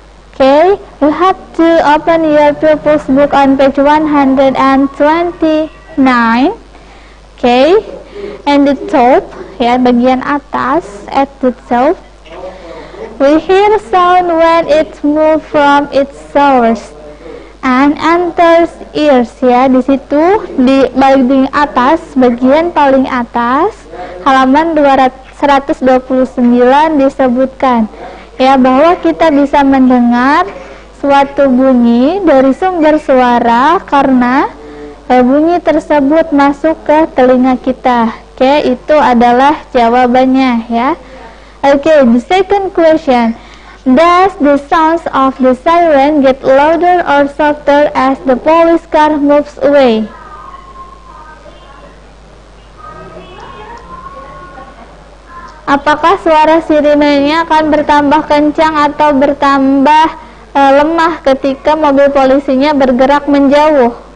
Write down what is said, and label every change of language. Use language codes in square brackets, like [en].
[en] Okay, you have to open your pupil's book on page 129. Okay, and the top, yeah, [id] bagian atas, [en] at the top, we hear sound when it moves from its source and enters ears, ya. [id] Di situ, di bagian atas, bagian paling atas, halaman 129 disebutkan, ya, bahwa kita bisa mendengar suatu bunyi dari sumber suara karena bunyi tersebut masuk ke telinga kita. Oke, itu adalah jawabannya, ya. [en] Oke, the second question. Does the sounds of the siren get louder or softer as the police car moves away? [id] Apakah suara sirenenya akan bertambah kencang atau bertambah lemah ketika mobil polisinya bergerak menjauh?